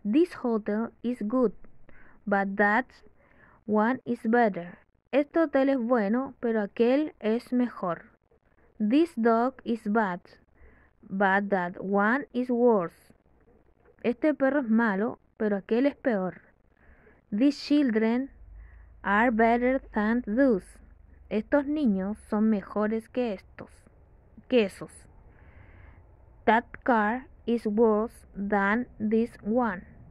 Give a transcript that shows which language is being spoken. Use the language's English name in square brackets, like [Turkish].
[English] This hotel is good, but that one is better. [Spanish] Este hotel es bueno, pero aquel es mejor. [English] This dog is bad, but that one is worse. [Spanish] Este perro es malo, pero aquel es peor. [English] These children are better than those. [Spanish] Estos niños son mejores que estos. Que esos. [English] That car is worse than this one.